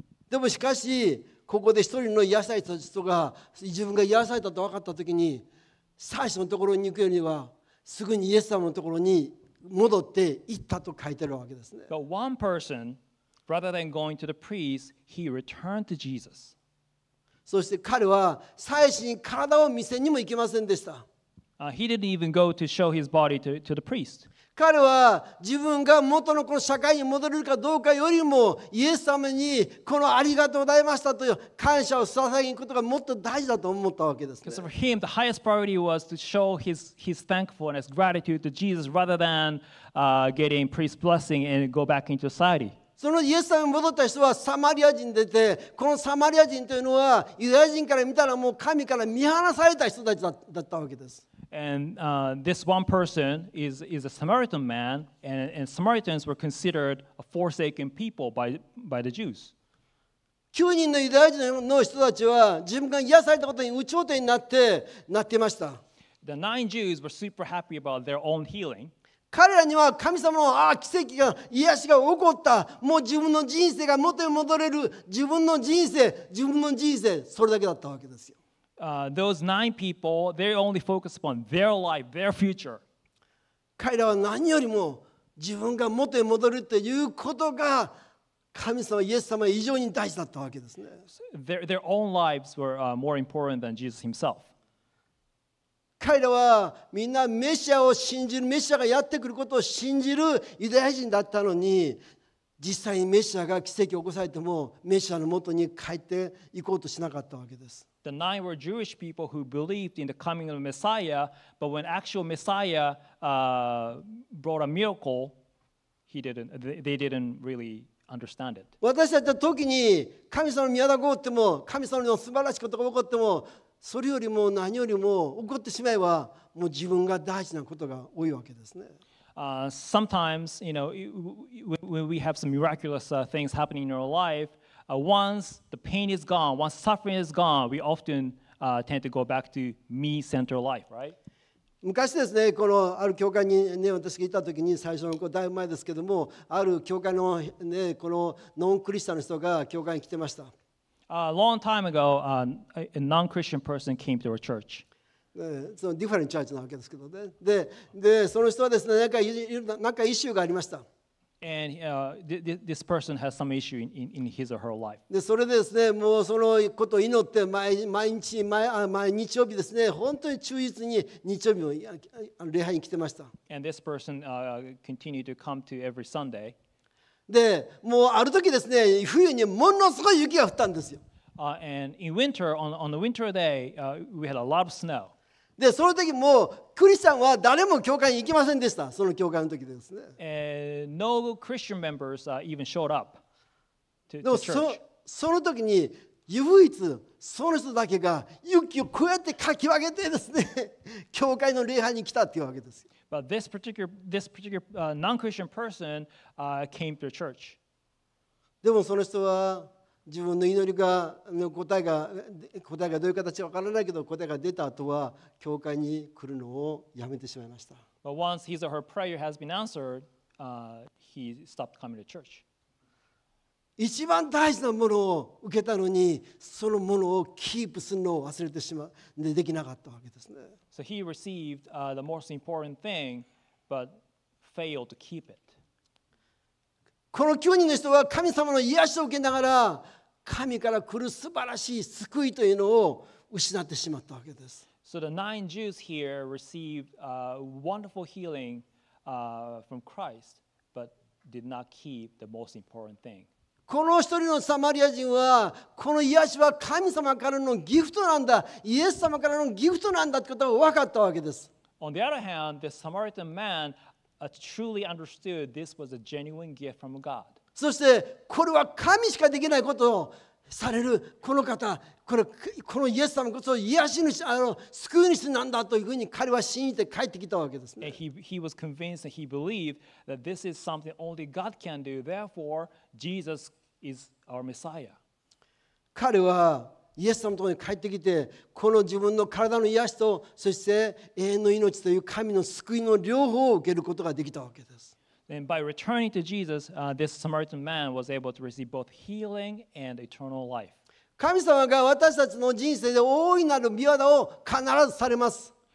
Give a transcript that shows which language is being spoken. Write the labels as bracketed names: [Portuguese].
[Japanese] でもしかし、ここで一人の癒された人が、自分が癒されたと分かったときに、最初のところに行くよりは、すぐにイエス様のところに戻って行ったと書いてるわけですね。 [English] But one person, rather than going to the priest, he returned to Jesus. [Japanese] そして彼は祭司に体を見せにも行けませんでした。 [English] He didn't even go to show his body to the priest. [Japanese] 彼は自分が元のこの社会に戻れるかどうかよりもイエス様にこのありがとうございましたという感謝を捧げることがもっと大事だと思ったわけですね。 [English] Because for him, the highest priority was to show his thankfulness, gratitude to Jesus rather than getting priest's blessing and go back into society. [Japanese] そのイエス様に戻った人はサマリア人でて、このサマリア人というのはユダヤ人から見たらもう神から見放された人たちだったわけです。 [English] And this one person is a Samaritan man, and Samaritans were considered a forsaken people by the Jews. [Japanese] 9人のユダヤ人の人たちは自分が癒されたことに有頂天になってなっていました。 [English] The nine Jews were super happy about their own healing. [Japanese] 彼らには神様の奇跡が癒しが起こった、もう自分の人生が元に戻れる、自分の人生、それだけだったわけですよ。 [English] Those nine people, they only focused upon their life, their future. [Japanese] 彼らは何よりも自分が元に戻るということが神様、イエス様以上に大事だったわけですね。 [English] Their own lives were more important than Jesus himself. [Japanese] 彼らはみんなメシアを信じる、メシアがやってくることを信じるユダヤ人だったのに、実際にメシアが奇跡を起こされてもメシアの元に帰って行こうとしなかったわけです。 [English] The nine were Jewish people who believed in the coming of the Messiah, but when actual Messiah brought a miracle, they didn't really understand it. [Japanese] 私たちの時に神様の御業が起こっても、神様の素晴らしいことが起こっても、それよりも何よりも起こってしまえばもう自分が大事なことが多いわけですね。 [English] Sometimes, you know, when we have some miraculous things happening in our life, once the pain is gone, once suffering is gone, we often tend to go back to me-centered life, right? [Japanese] 昔ですね、このある教会にね、私がいた時に最初のだいぶ前ですけども、ある教会のね、このノンクリスチャンの人が教会に来てました。 [English] A long time ago, a non-Christian person came to our church. [Japanese] その [English] ディファレントチャーチ [Japanese] なわけですけどね。で、その人はですね、なんかイシューがありました。 [English] And this person has some issue in his or her life. [Japanese] で、それでですね、もうそのことを祈って毎日曜日ですね、本当に忠実に日曜日も礼拝に来てました。 [English] And this person continued to come to every Sunday. [Japanese] で、もうある時ですね、冬にものすごい雪が降ったんですよ。 [English] And in winter, on the winter day, we had a lot of snow. [Japanese] で、その時もクリスチャンは誰も教会に行きませんでした。その教会の時ですね。 [English] No Christian members even showed up to church. [Japanese] その時に唯一その人だけが雪をこうやってかき分けてですね、教会の礼拝に来たっていうわけです。 [English] But this particular non-Christian person came to church. [Japanese] でもその人は自分の祈りがの答えがどういう形かわからないけど、答えが出た後は教会に来るのをやめてしまいました。 [English] But once his or her prayer has been answered, he stopped coming to church. [Japanese] 一番大事なものを受けたのに、そのものをキープするのを忘れてしまう、できなかったわけですね。 [English] So he received the most important thing, but failed to keep it. [Japanese] この9人の人は神様の癒しを受けながら、神から来る素晴らしい救いというのを失ってしまったわけです。 [English] So the nine Jews here received a wonderful healing from Christ, but did not keep the most important thing. [Japanese] この一人のサマリア人は、この癒しは神様からのギフトなんだ、イエス様からのギフトなんだということが分かったわけです。 [English] On the other hand, the Samaritan man truly understood this was a genuine gift from God. [Japanese] そして、これは神しかできないことをされるこの方、このイエス様こそ癒し主、救い主なんだというふうに彼は信じて帰ってきたわけですね。 [English] He was convinced and he believed that this is something only God can do. Therefore, Jesus is our Messiah. [Japanese] 彼はイエス様のところに帰ってきて、この自分の体の癒しと、そして永遠の命という神の救いの両方を受けることができたわけです。 [English] And by returning to Jesus, this Samaritan man was able to receive both healing and eternal life. [Japanese] 神様が私たちの人生で大いなる御業を必ずされます。